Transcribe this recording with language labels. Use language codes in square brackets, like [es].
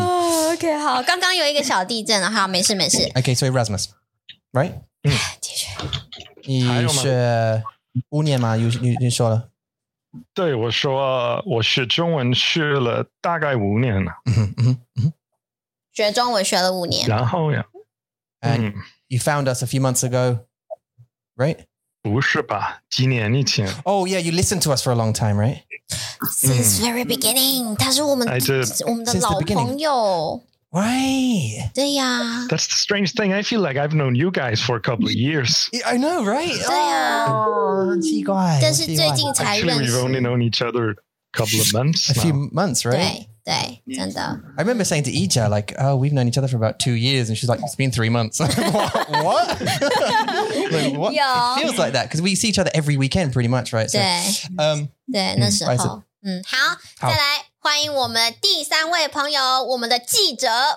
[en] Oh, okay, [zh] 好，刚刚有一个小地震，好，没事没事。 [en] Okay, so Erasmus, right? [zh] 你是五年吗？你说了。对，我说我学中文学了大概五年了。学中文学了五年。然后呀。 [en] And you found us a few months ago, right? [zh] 不是吧，几年以前。 [en] Oh yeah, you listened to us for a long time, right? Since very beginning, [zh] 他是我们的老朋友。 [en] Right. [zh] 对呀。 [en] That's the strange thing. I feel like I've known you guys for a couple of years. I know, right? [zh] 对呀。 [en] Oh, [zh] 奇怪。但是最近才认识。 [en] Actually, we've only known each other a couple of months now. A few months, right? [zh] 对, 真的。 [en] I remember saying to Ija, like, oh, we've known each other for about 2 years. And she's like, it's been 3 months. What? Like, what? It feels like that. Because we see each other every weekend pretty much, right? So, [zh] 对, 那时候。 [en] Right, so, [zh] 好, 好再来。欢迎我们第三位朋友，我们的记者